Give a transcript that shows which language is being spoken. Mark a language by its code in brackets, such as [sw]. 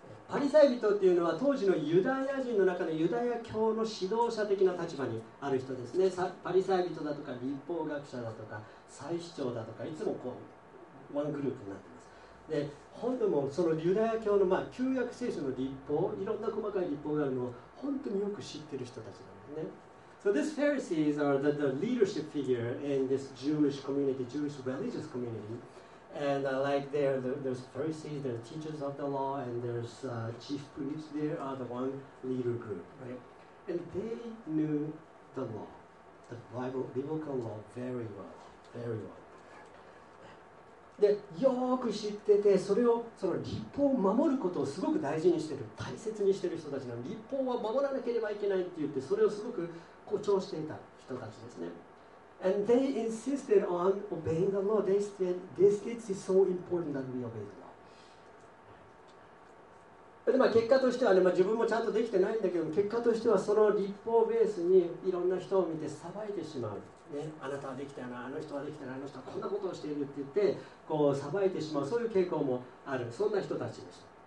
[ja] パリサイ人っていうのは当時のユダヤ人の中でユダヤ教の指導者的な立場にある人ですね。パリサイ人だとか律法学者だとか祭司長だとか、いつもこうワングループになってます。で、本当もそのユダヤ教の、まあ、旧約聖書の律法、いろんな細かい律法があるのを本当によく知ってる人たちなんですね。 [en] So these Pharisees are the leadership figure in this Jewish community, Jewish religious communityAnd like there's Pharisees, there are teachers of the law, and there's chief priests. They are the one leader group, right? And they knew the law, the Bible, biblical law very well, very well. [ja] で、よく知ってて、それをその律法を守ることをすごく大事にしてる、大切にしてる人たちなの。律法は守らなければいけないって言って、それをすごく誇張していた人たちですね。 [en] And they insisted on obeying the law. They said, "This is so important that we obey the law." [ja] でまあ結果としてはね、まあ、自分もちゃんとできてないんだけど、結果としてはその立法ベースにいろんな人を見て裁いてしまう、ね、あなたはできたな、あの人はできたな、あの人はこんなことをしているって言ってこう裁いてしまう、そういう傾向もある、そんな人たちでした。